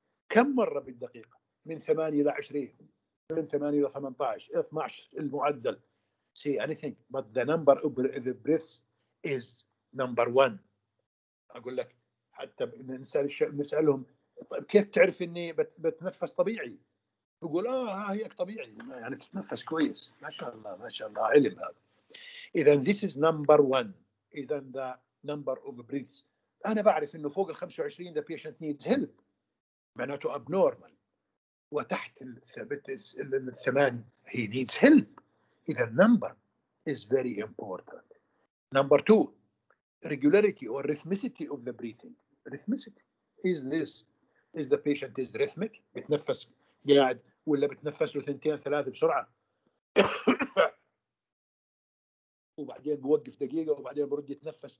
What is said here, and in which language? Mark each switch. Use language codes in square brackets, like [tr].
[ar] كم مرة بالدقيقة؟ من 8 إلى 20 من 8 إلى 18 12 المعدل. [en] See anything but the number of the breaths is number one. [ar] أقول لك حتى نسألهم طيب كيف تعرف إني بتنفس طبيعي؟ يقول هيك طبيعي يعني تتنفس كويس. ما شاء الله علم هذا. إذن [en] this is number one. Then the number of breaths. [ar] أنا بعرف إنه فوق ال [en] 25 the patient needs help. [ar] معناته [en] abnormal. [ar] وتحت الثبتس الثمان [en] he needs help. [ar] إذا [en] number is very important. Number two, regularity or rhythmicity of the breathing. Rhythmicity is this. Is the patient is rhythmic? [ar] بتنفس قاعد ولا بتنفس له ثنتين ثلاثة بسرعة. وبعدين بوقف دقيقة وبعدين برد يتنفس.